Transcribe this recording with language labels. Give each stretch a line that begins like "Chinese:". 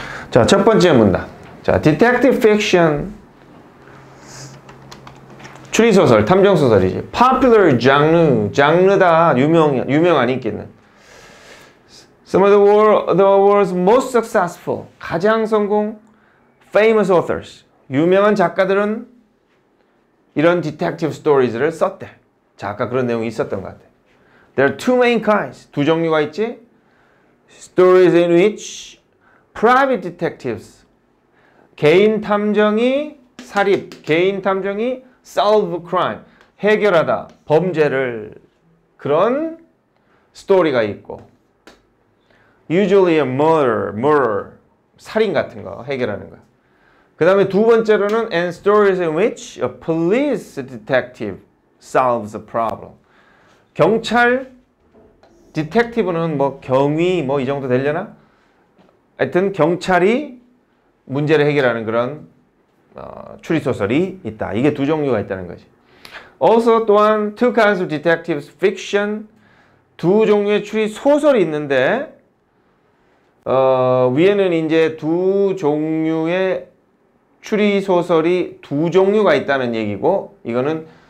Korean: 자, 첫 번째 문단. 자, detective fiction. 추리소설, 탐정소설이지. popular genre. 장르다. 유명한 인기는.
English: Some of the world's most successful,
Korean: 가장 성공,
English: famous authors,
Korean: 유명한 작가들은 이런
English: detective stories를 썼대.
Korean: 자, 아까 그런 내용이 있었던 것 같아.
English: There are two main kinds,
Korean: 두 종류가 있지.
English: Stories in which private detectives,
Korean: 개인 탐정이 사립, 개인 탐정이
English: solve crime,
Korean: 해결하다, 범죄를, 그런 스토리가 있고.
English: Usually a murder,
Korean: 살인 같은 거 해결하는 거. 그 다음에 두 번째로는
English: and stories in which a police detective solves a problem.
Korean: 경찰 detective는 뭐 경위 뭐 이 정도 되려나? 하여튼 경찰이 문제를 해결하는 그런 추리소설이 있다. 이게 두 종류가 있다는 거지. Also 또한
English: two kinds of detectives fiction,
Korean: 두 종류의 추리소설이 있는데 위에는 이제 두 종류의 추리소설이 두 종류가 있다는 얘기고, 이거는